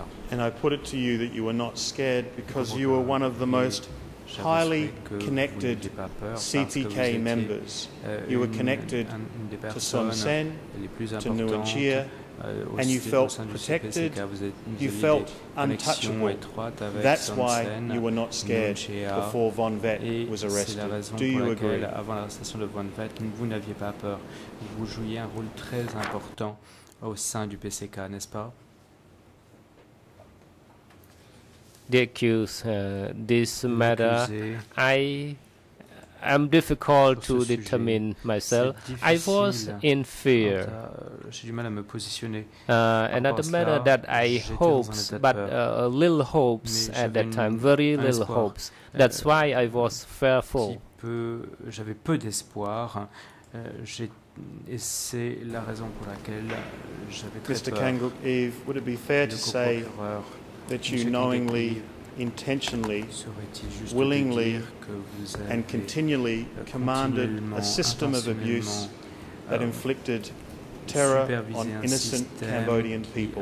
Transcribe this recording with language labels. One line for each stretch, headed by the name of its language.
English: And I put it to you that you were not scared because you were one of the most highly connected CPK members. You were connected to Sesson, to Nguyen Chia, and you felt protected, you felt untouchable. That's why you were not scared before Von Vett was arrested. Do you agree?
French: Avant l'arrestation de Von Vett, vous n'aviez pas peur. Vous jouiez un rôle très important au sein du PCK, n'est-ce pas? The accused, this matter, I am difficult to determine myself. I was in fear. Another matter that I hoped, but little hopes at that time, very little hopes. That's why I was fearful. J'avais peu d'espoir. Et c'est la raison pour laquelle j'avais très
English: Mr. Kangook Eve, would it be fair to say that you knowingly intentionally, willingly, and continually commanded a system of abuse that inflicted terror on innocent Cambodian people.